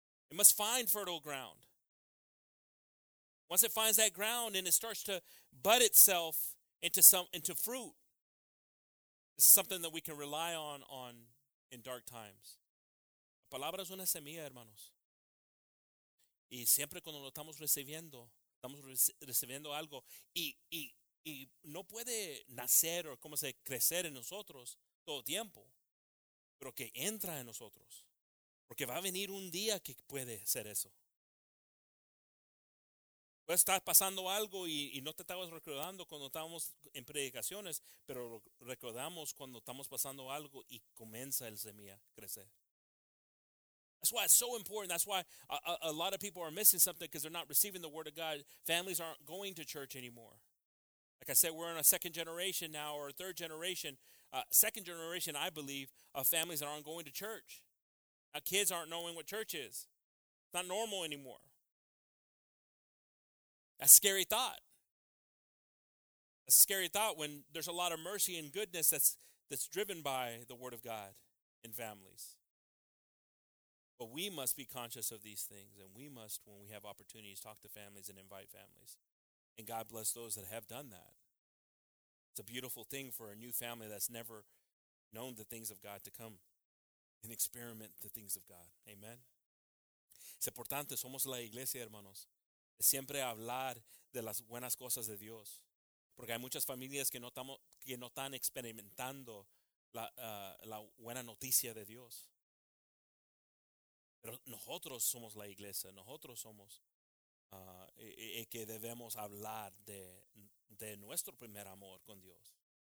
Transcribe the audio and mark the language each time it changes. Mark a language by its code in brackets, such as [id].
[en] It must find fertile ground. Once it finds that ground and it starts to bud itself into fruit, it's something that we can rely on in dark times. [es] La palabra es una semilla, hermanos. Y siempre cuando lo estamos recibiendo algo y no puede nacer o cómo se crecer en nosotros todo tiempo, pero que entra en nosotros, porque va a venir un día que puede ser eso. Puede estar pasando algo y no te estabas recordando cuando estábamos en predicaciones, pero recordamos cuando estamos pasando algo y comienza el semilla a crecer. [en] That's why it's so important. That's why a lot of people are missing something because they're not receiving the word of God. Families aren't going to church anymore. Like I said, we're in a second generation now or a third generation. Second generation, I believe, of families that aren't going to church. Now kids aren't knowing what church is. It's not normal anymore. That's a scary thought. That's a scary thought when there's a lot of mercy and goodness that's driven by the word of God in families. But we must be conscious of these things, and we must, when we have opportunities, talk to families and invite families. And God bless those that have done that. It's a beautiful thing for a new family that's never known the things of God to come and experiment the things of God. [es] Amen. Es importante, somos la iglesia, hermanos. Siempre hablar de las buenas cosas de Dios. Porque hay muchas familias que no están experimentando la buena noticia de Dios. Pero nosotros somos la iglesia. Nosotros somos y que debemos hablar de nuestro primer amor con Dios.